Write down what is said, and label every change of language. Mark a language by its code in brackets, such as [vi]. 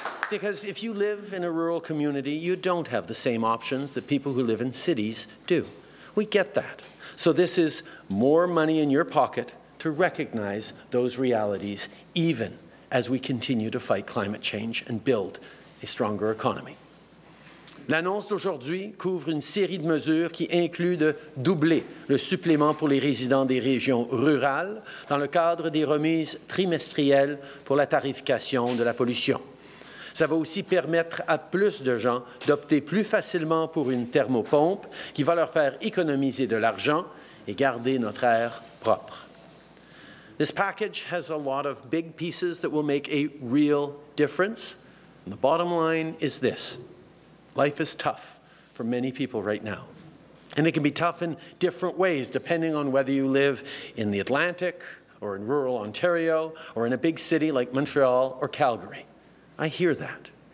[en] Because if you live in a rural community, you don't have the same options that people who live in cities do. We get that. So this is more money in your pocket to recognize those realities, even as we continue to fight climate change and build a stronger economy. [fr] L'annonce aujourd'hui couvre une série de mesures qui incluent de doubler le supplément pour les résidents des régions rurales dans le cadre des remises trimestrielles pour la tarification de la pollution. Ça va aussi permettre à plus de gens d'opter plus facilement pour une thermopompe qui va leur faire économiser de l'argent et garder notre air propre. [en] This package has a lot of big pieces that will make a real difference. And the bottom line is this. Life is tough for many people right now. And it can be tough in different ways, depending on whether you live in the Atlantic or in rural Ontario or in a big city like Montreal or Calgary. I hear that.